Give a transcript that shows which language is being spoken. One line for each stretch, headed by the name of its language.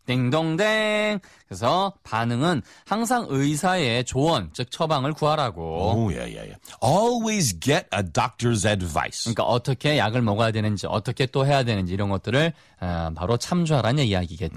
Korean: 딩동댕. 그래서 반응은 항상 의사의 조언, 즉 처방을 구하라고.
English: Oh, yeah, yeah, yeah. Always get a doctor's advice.
Korean: 그러니까 어떻게 약을 먹어야 되는지, 어떻게 또 해야 되는지 이런 것들을 바로 참조하라는 이야기겠죠.